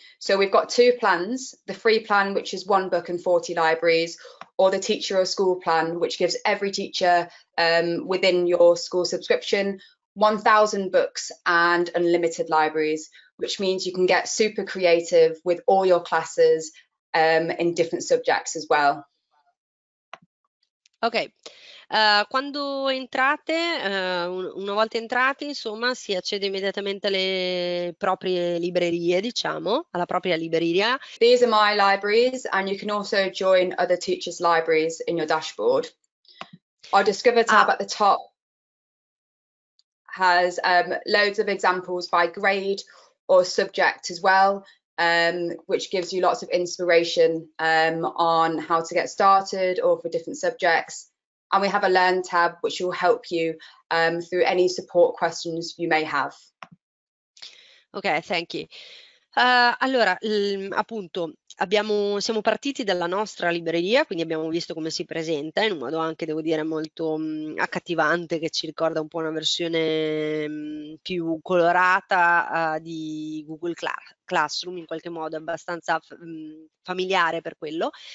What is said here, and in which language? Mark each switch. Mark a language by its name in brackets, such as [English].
[English] So we've got two plans, the free plan, which is one book and 40 libraries, or the teacher or school plan, which gives every teacher within your school subscription 1,000 books and unlimited libraries, which means you can get super creative with all your classes in different subjects as well. [Italian] Ok, quando entrate, una volta entrati, insomma, si accede immediatamente alle proprie librerie, diciamo, alla propria libreria. [English] These are my libraries, and you can also join other teachers' libraries in your dashboard. Our Discover tab at the top has loads of examples by grade or subject as well. which gives you lots of inspiration on how to get started or for different subjects. And we have a Learn tab, which will help you through any support questions you may have. Okay, thank you. [Italian] Allora, appunto, siamo partiti dalla nostra libreria, quindi abbiamo visto come si presenta in un modo anche, devo dire, molto accattivante, che ci ricorda un po' una versione più colorata di Google Classroom, in qualche modo abbastanza familiare per quello.